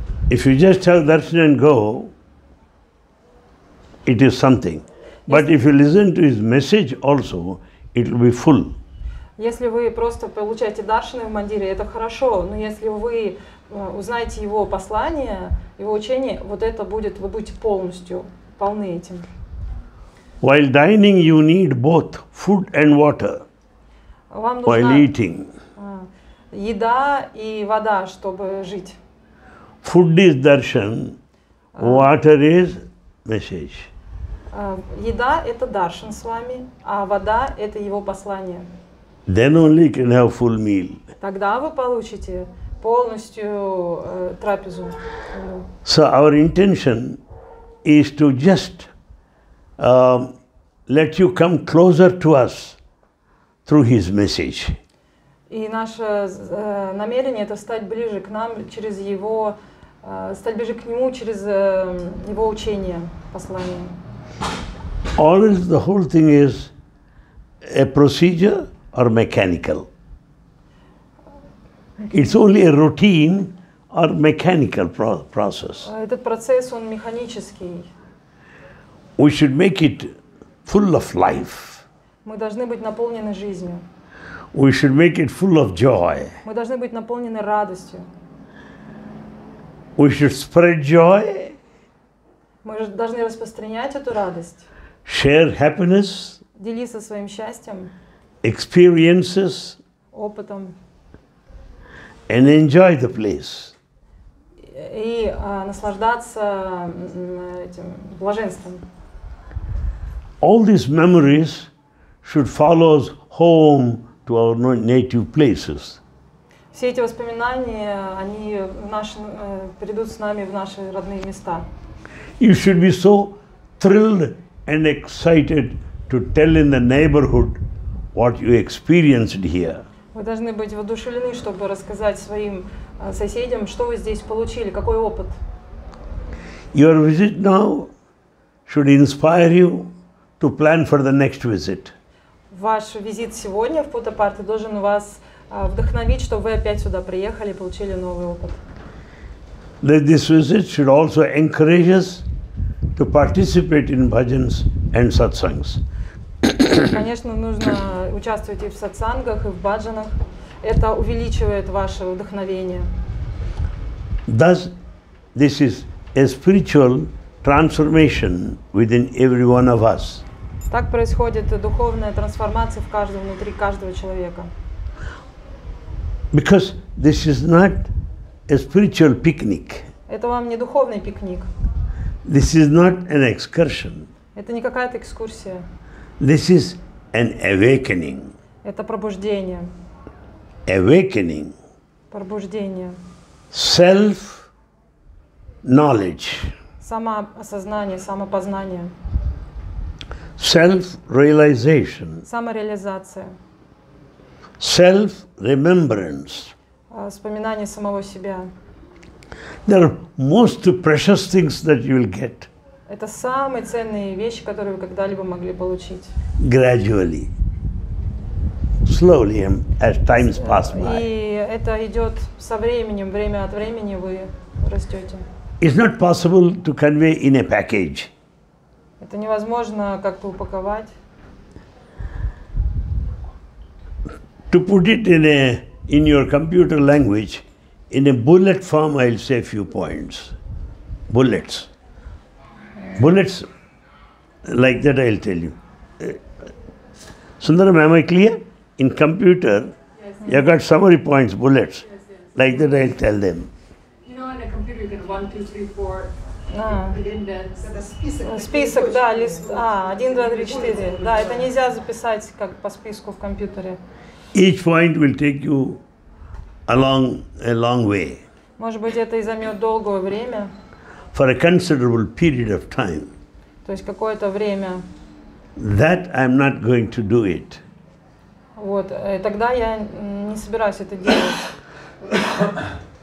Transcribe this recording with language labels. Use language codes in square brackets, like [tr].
[en] If you just tell darshan and go, it is something. But if you listen to his message also, it will be full. [ru] Если вы просто получаете даршаны в мандире, это хорошо, но если вы узнаете его послание, его учение, вот это будет, вы будете полностью полны этим. [en] While dining, you need both food and water. [ru] Вам нужна [en] While eating. [ru] Еда и вода, чтобы жить. [en] Food is darshan, water is message. [ru] Еда – это даршан с вами, а вода – это его послание. [en] Then only you can have full meal. [ru] Тогда вы получите полностью трапезу. [en] So our intention is to just let you come closer to us through his message. [ru] И наше намерение это стать ближе к нам через его стать ближе к нему через его учение, послание. [en] Always the whole thing is a procedure or mechanical. It's only a routine or mechanical process. [ru] Этот процесс, он механический. [en] We should make it full of life. [ru] Мы должны быть наполнены жизнью. [en] We should make it full of joy. [ru] Мы должны быть наполнены радостью. [en] We should spread joy. [ru] Мы должны распространять эту радость. [en] Share happiness. [ru] Делиться своим счастьем. [en] experiences [ru] опытом [en] and enjoy the place. [ru] И наслаждаться этим блаженством. [en] All these memories should follow us home to our native places. [ru] Все эти воспоминания, они в наши, придут с нами в наши родные места. [en] You should be so thrilled and excited to tell in the neighborhood what you experienced here. [ru] Вы должны быть воодушевлены, чтобы рассказать своим соседям, что вы здесь получили, какой опыт. [en] Your visit now should inspire you to plan for the next visit. [ru] Ваш визит сегодня в Путапарти должен вас вдохновить, чтобы вы опять сюда приехали и получили новый опыт. [en] That this visit should also encourage us to participate in bhajans and satsangs. [ru] Конечно, нужно участвовать и в сатсангах, и в бхаджанах. Это увеличивает ваше вдохновение. [en] Thus, this is a spiritual transformation within every one of us. [ru] Так происходит духовная трансформация в каждом, внутри каждого человека. [en] Because this is not a spiritual picnic. [ru] Это вам не духовный пикник. [en] This is not an excursion. [ru] Это не какая-то экскурсия. [en] This is an awakening. [ru] Это пробуждение. [en] Awakening. [ru] Пробуждение. [en] Self-knowledge. [ru] Самоосознание, самопознание. [en] Self-realization. [ru] Самореализация. [en] Self-remembrance. [ru] Вспоминание самого себя. [en] There are most precious things that you will get. [ru] Это самые ценные вещи, которые вы когда-либо могли получить. [en] Gradually. Slowly, as times pass by. [ru] И это идет со временем, время от времени вы растете. [en] It's not possible to convey in a package. [ru] Это невозможно как-то упаковать. [en] To put it in your computer language, in a bullet form, I'll say a few points. Bullets. Bullets, like that I'll tell you. Sundaram, am I clear? In computer, yes, you got summary points, bullets. Yes, yes. Like that I'll tell them. You know, on a computer you get 1, 2, 3, 4, [ru] Ah. Список, да, лист, 1, 2, 3, 4. Да, это нельзя записать как по списку в компьютере. [en] Each point will take you along a long way. [ru] Может быть, это и займет долгое время. [en] For a considerable period of time. [ru] То есть какое-то время. [en] That I'm not going to do it. [ru] Вот, тогда я не собираюсь это делать.